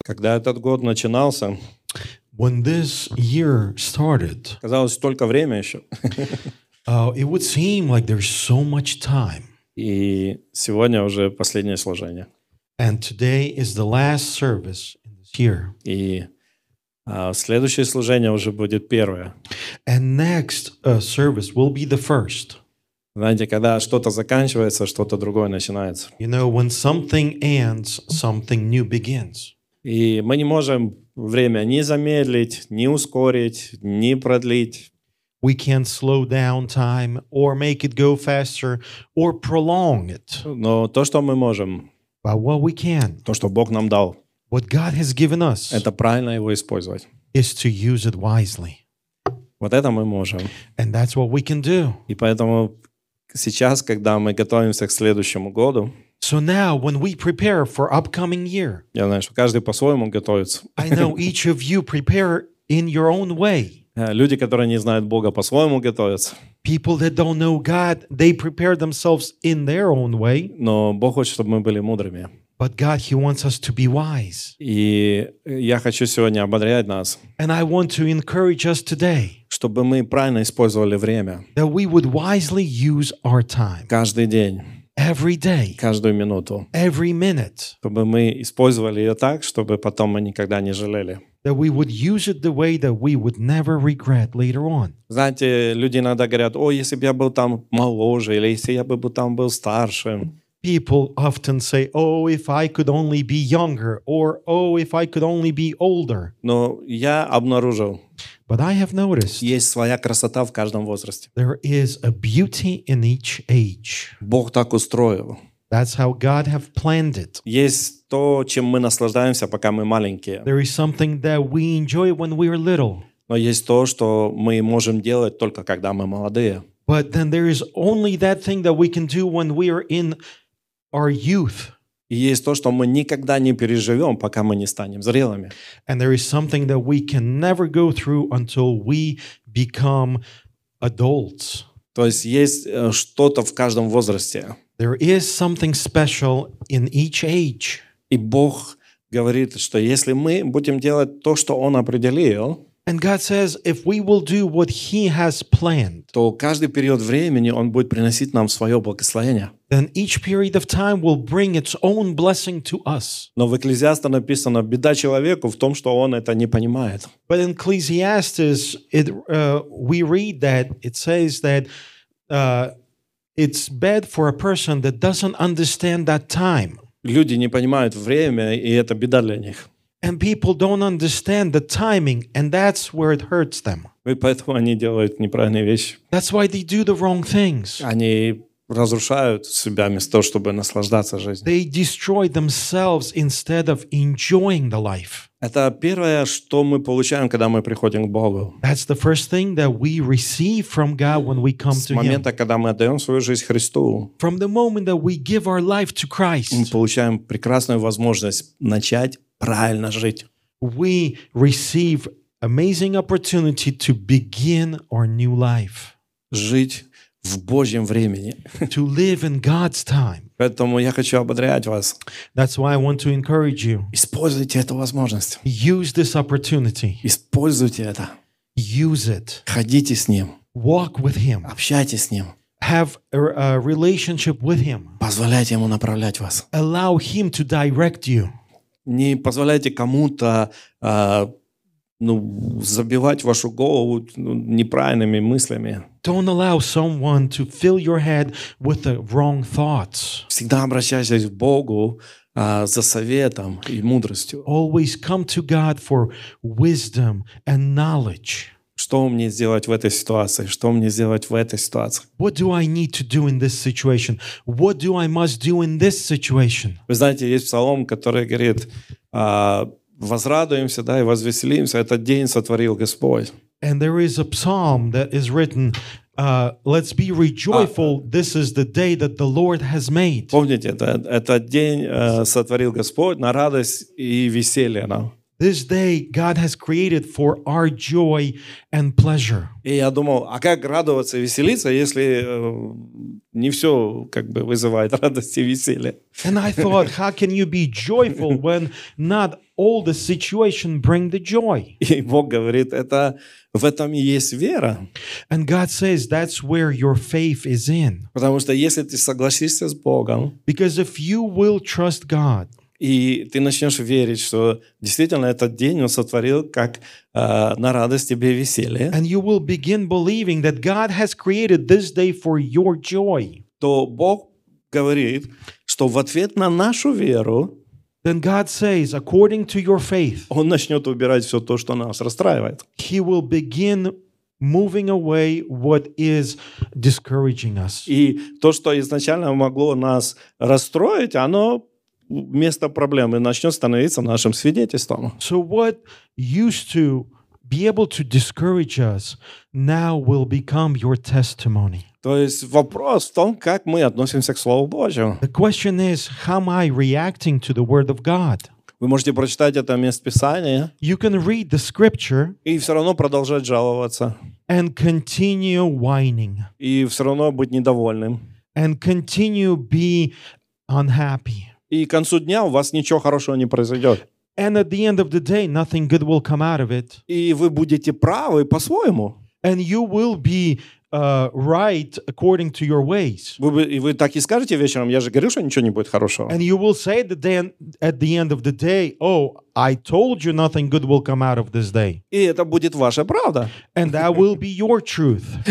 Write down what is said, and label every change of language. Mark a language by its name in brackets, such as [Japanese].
[Russian] Когда этот год начинался, [English] when this year started, [Russian] казалось, столько времени еще. [English] It would seem like there's so much time. [Russian] И сегодня уже последнее служение. [English] And today is the last service in this year. [Russian] И следующее служение уже будет первое. [English] And next service will be the first. [Russian] Знаете, когда что-то заканчивается, что-то другое начинается. [English] You know, when something ends, something new begins. [Russian] И мы не можем время ни замедлить, ни ускорить, ни продлить. [English] We can't slow down time or make it go faster or prolong it. [Russian] Но то, что мы можем, [English] but what we can, [Russian] то, что Бог нам дал, [English] what God has given us, [Russian] это правильно его использовать. [English] Is to use it wisely. [Russian] Вот это мы можем. [English] And that's what we can do. [Russian] И поэтому сейчас, когда мы готовимся к следующему году, [English] so now, when we prepare for upcoming year, [Russian] я знаю, что каждый по-своему готовится. [English] I know each of you prepare in your own way. [Russian] Люди, которые не знают Бога, по-своему готовятся. [English] People that don't know God, they prepare themselves in their own way. [Russian] Но Бог хочет, чтобы мы были мудрыми. [English] But God, He wants us to be wise. [Russian] И я хочу сегодня ободрять нас. [English] And I want to encourage us today. [Russian] Чтобы мы правильно использовали время. [English] That we would wisely use our time. [Russian] Каждый день. [English] Every day. [Russian] Каждую минуту. [English] Every minute. [Russian] Чтобы мы использовали ее так, чтобы потом мы никогда не жалели. [English] That we would use it the way that we would never regret later on. [Russian] Знаете, люди иногда говорят, о, если бы я был там моложе, или если я бы там был старше. [English] People often say, oh, if I could only be younger, or oh, if I could only be older. [Russian] Но я обнаружил. [English] But I have noticed. [Russian] Есть своя красота в каждом возрасте. [English] There is a beauty in each age. [Russian] Бог так устроил. [English] That's how God have planned it. [Russian] Есть то, чем мы наслаждаемся, пока мы маленькие. [English] There is something that we enjoy when we are little. [Russian] Но есть то, что мы можем делать только когда мы молодые. [English] But then there is only that thing that we can do when we are in our youth. [Russian] И есть то, что мы никогда не переживем, пока мы не станем зрелыми. [English] And there is something that we can never go through until we become adults. [Russian] То есть есть что-то в каждом возрасте. [English] There is something special in each age. [Russian] И Бог говорит, что если мы будем делать то, что Он определил, [English] and God says, if we will do what He has planned, [Russian] то каждый период времени Он будет приносить нам свое благословение. [English] Then each period of time will bring its own blessing to us. [Russian] Но в Экклезиасте написано, беда человеку в том, что он это не понимает. [English] But in Ecclesiastes, it, we read that, it says that it's bad for a person that doesn't understand that time. [Russian] Люди не понимают время, и это беда для них. [English] And people don't understand the timing, and that's where it hurts them. [Russian] И поэтому они делают неправильные вещи. [English] That's why they do the wrong things. [Russian] Они разрушают себя вместо того, чтобы наслаждаться жизнью. [English] They destroy themselves instead of enjoying the life. [Russian] Это первое, что мы получаем, когда мы приходим к Богу. [English] That's the first thing that we receive from God when we come to Him. [Russian] С момента, когда мы отдаем свою жизнь Христу. [English] From the moment that we give our life to Christ. [Russian] Мы получаем прекрасную возможность начать правильно жить. [English] We receive amazing opportunity to begin our new life. [Russian] Жить в Божьем времени. [English] To live in God's time. [Russian] Поэтому я хочу ободрять вас. [English] That's why I want to encourage you. [Russian] Используйте эту возможность. [English] Use this opportunity. [Russian] Используйте это. [English] Use it. [Russian] Ходите с Ним. [English] Walk with Him. [Russian] Общайтесь с Ним. [English] Have a relationship with Him. [Russian] Позволяйте Ему направлять вас. [English] Allow Him to direct you. [Russian] Не позволяйте кому-то забивать вашу голову неправильными мыслями. [English] Don't allow someone to fill your head with the wrong thoughts. [Russian] Всегда обращайтесь к Богу за советом и мудростью. [English] Always come to God for wisdom and knowledge. [Russian] Что мне сделать в этой ситуации? Что мне сделать в этой ситуации? [English] What do I need to do in this situation? What do I must do in this situation? [Russian] Вы знаете, есть псалом, который говорит, возрадуемся, да, и возвеселимся, этот день сотворил Господь. [English] And there is a psalm that is written, let's be rejoiceful, this is the day that the Lord has made. [Russian] Помните, этот день сотворил Господь на радость и веселье нам. [English] This day God has created for our joy and pleasure. [Russian] И я думал, а как радоваться и веселиться, если не все как бы вызывает радость и веселье? [English] And I thought, how can you be joyful when not all the situation bring the joy? [Russian] И Бог говорит, это в этом и есть вера. [English] And God says, that's where your faith is in. [Russian] Потому что если ты согласишься с Богом, [English] because if you will trust God, [Russian] и ты начнешь верить, что действительно этот день Он сотворил как на радость тебе веселье. [English] And you will begin believing that God has created this day for your joy. [Russian] То Бог говорит, что в ответ на нашу веру, [English] then God says, according to your faith, [Russian] Он начнет убирать все то, что нас расстраивает. [English] He will begin moving away what is discouraging us. [Russian] И то, что изначально могло нас расстроить, оно вместо проблемы начнет становиться нашим свидетельством. [English] So what used to be able to discourage us now will become your testimony. [Russian] То есть вопрос в том, как мы относимся к Слову Божьему. [English] The question is, how am I reacting to the Word of God? [Russian] Вы можете прочитать это место Писания. [English] You can read the scripture. [Russian] И все равно продолжать жаловаться. [English] And continue whining. [Russian] И все равно быть недовольным. [English] And continue be unhappy. [Russian] И к концу дня у вас ничего хорошего не произойдет. [English] And at the end of the day, nothing good will come out of it. [Russian] И вы будете правы по-своему. [English] And you will be right according to your ways. [Russian] Вы так и скажете вечером, я же говорил, что ничего не будет хорошего. [English] And you will say that then at the end of the day, oh, I told you nothing good will come out of this day. [Russian] И это будет ваша правда. [English] And that will be your truth.